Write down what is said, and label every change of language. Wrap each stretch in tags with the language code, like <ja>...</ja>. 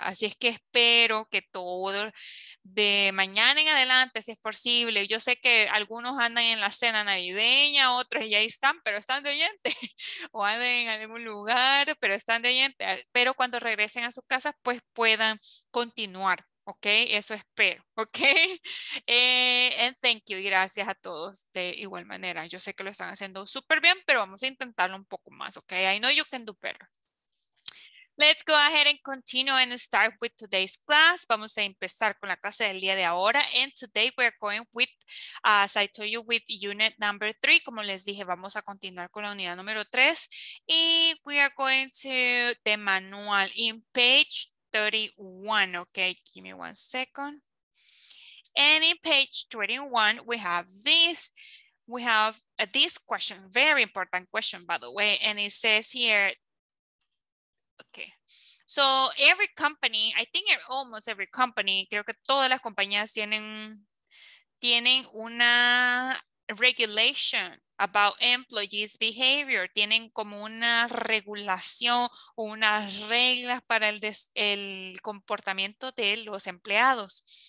<es>Así es que espero que todo de mañana en adelante, si es posible, yo sé que algunos andan en la cena navideña, otros ya están, pero están de oyente, o andan en algún lugar, pero están de oyente, pero cuando regresen a sus casas, pues puedan continuar. Ok, eso espero. Ok,</es> <en>and thank you.</en> <es>Gracias a todos de igual manera. Yo sé que lo están haciendo súper bien, pero vamos a intentarlo un poco más.</es> <en>Ok, I know you can do better. Let's go ahead and continue and start with today's class.</en> <es>Vamos a empezar con la clase del día de ahora.</es> <en>And today we're going with, as I told you, with unit number 3.</en> <es>Como les dije, vamos a continuar con la unidad número 3.</es> <en>Y we are going to the manual in page 31. Okay, give me one second. And in page 21, we have this. We have this question, very important question, by the way. And it says here, okay. So every company,</en> <es>I think almost every company, creo que todas las compañías tienen una</es> <en>regulation about employees' behavior,</en> <es>tienen como una regulación, unas reglas para el comportamiento de los empleados.</es>